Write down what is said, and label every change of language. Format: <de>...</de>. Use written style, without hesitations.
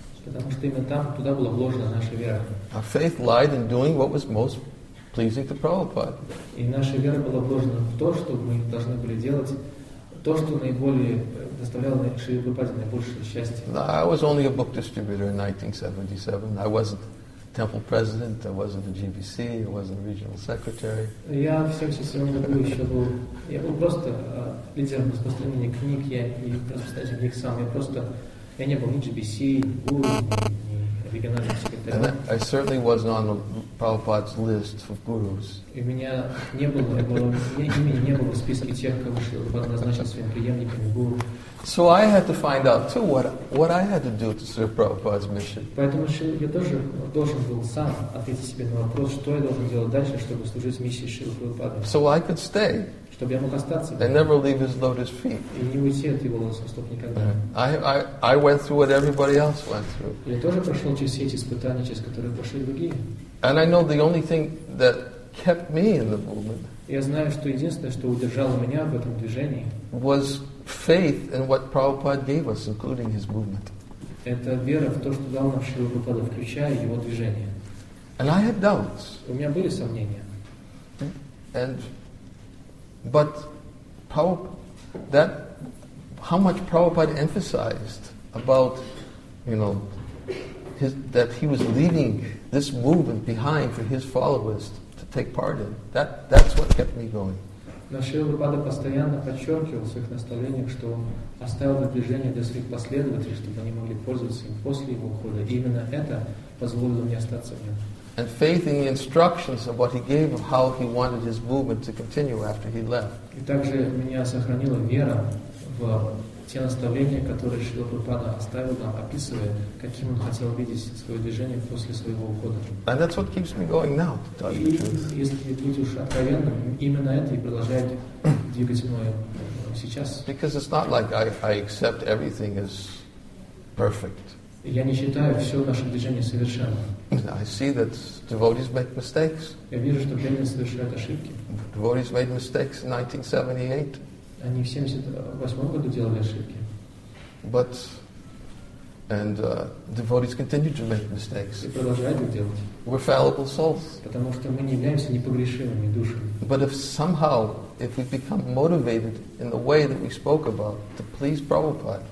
<ru>Потому что именно там, туда была вложена наша вера.</ru> <en>Our faith lied in doing what was most pleasing to Prabhupada.</en> <ru>И наша вера была вложена в то, что мы должны были делать, то, что наиболее доставляло Шриле Прабхупаде наибольшее счастье.</ru> <en>No, I was only a book distributor in 1977. I wasn't temple president, I wasn't a GBC, I wasn't a regional secretary.</en> <ru>Я в 77-м году еще был, я был просто лидером распространения книг, я и распространитель книг сам, я просто... Я не был ни GBC, ни региональный секретарь.</ru> <en>I certainly wasn't on Prabhupada's list of gurus.</en> <ru>И меня не было, имени не было в списке тех, кого Шрила назначил своим преемником гуру.</ru> <en>So I had to find out too what I had to do to serve Prabhupada's mission.</en> <ru>Поэтому я тоже должен был сам ответить себе на вопрос, что я должен делать дальше, чтобы служить миссии Шрилы Прабхупады.</ru> <en>So I could stay.</en> <ru>Чтобы я мог остаться.</ru> <en>And never leave his lotus feet.</en> <ru>И не уйти от его лотосных стоп никогда.</ru> <en>I went through what everybody else went through.</en> <ru>Я тоже прошел через все эти испытания, через которые прошли другие.</ru> <en>And I know the only thing that kept me in the movement.</en> <ru>Я знаю, что единственное, что удержало меня в этом движении,</ru> <en>was faith in what Prabhupada gave us, including his movement.</en> <ru>Это вера в то, что дал нам Шрила Прабхупада, включая его движение.</ru> <en>And I had doubts.</en> <ru>У меня были сомнения.</ru> <en>And but how much Prabhupada emphasized about, you know, that he was leaving this movement behind for his followers to take part in. That's what kept me going.</en> <ru>Но Шрила Прабхупада постоянно подчеркивал в своих наставлениях, что он оставил движение для своих последователей, чтобы они могли пользоваться им после его ухода. И именно это позволило мне остаться в нем.</ru> <en>And faith in the instructions of what he gave of how he wanted his movement to continue after he left.</en> <ru>И также меня сохранила вера в те наставления, которые Шрила Прабхупада оставил нам, описывая, каким он хотел видеть свое движение после своего ухода.</ru> <en>And that's what keeps me going now, to tell you the truth.</en> <ru>И если быть уж откровенным, именно это и продолжает двигать мною сейчас.</ru> <en>Because it's not like I accept everything as perfect.</en> <ru>Я не считаю все наше движение совершенным.</ru> <en>I see that devotees make mistakes.</en> <ru>Я вижу, что преданные совершают ошибки.</ru> <en>Devotees made mistakes in 1978.</en> <ru>Они в 1978 году делали ошибки.</ru> <en>But And devotees continue to make mistakes.</en> <ru>И продолжают это делать.</ru> <en>We're fallible souls.</en> <ru>Потому что мы не являемся непогрешимыми душами.</ru> <en>But if somehow, if we become motivated in the way that we spoke about, to please Prabhupada.</en>